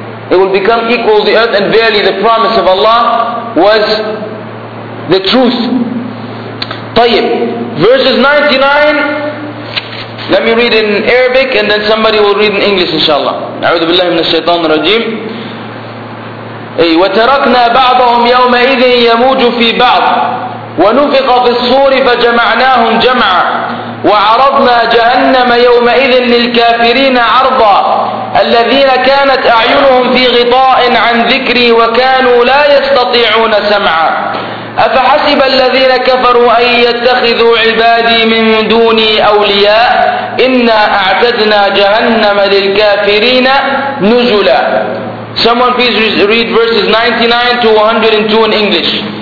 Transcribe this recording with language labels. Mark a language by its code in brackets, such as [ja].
[en] It will become equal to the earth, and verily the promise of Allah was the truth. Tayyib. Verses 99, let me read in Arabic and then somebody will read in English, inshallah. [ar] A'udhu billahi minash shaitan rajim. وتركنا بعضهم يومئذ يموج في بعض ونفق في الصور فجمعناهم جمعا وعرضنا جهنم يومئذ للكافرين عرضا الذين كانت أعينهم في غطاء عن ذكري وكانوا لا يستطيعون سمعا أفحسب الذين كفروا أن يتخذوا عبادي من دوني أولياء إنا أعتدنا جهنم للكافرين نزلا. [en] Someone please read verses 99 to 102 in English.